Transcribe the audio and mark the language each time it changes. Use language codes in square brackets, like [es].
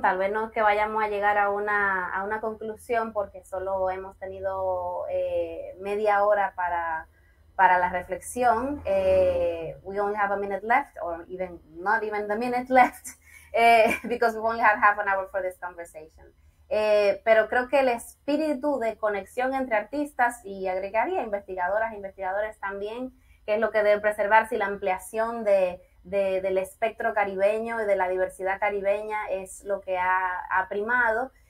[es] Tal vez no es que vayamos a llegar a una conclusión porque solo hemos tenido media hora para la reflexión. [en] We only have a minute left, or even not even the minute left. Because we only had half an hour for this conversation. [es] Pero creo que el espíritu de conexión entre artistas, y agregaría investigadoras e investigadores también, que es lo que debe preservarse, y la ampliación del espectro caribeño y de la diversidad caribeña es lo que ha primado.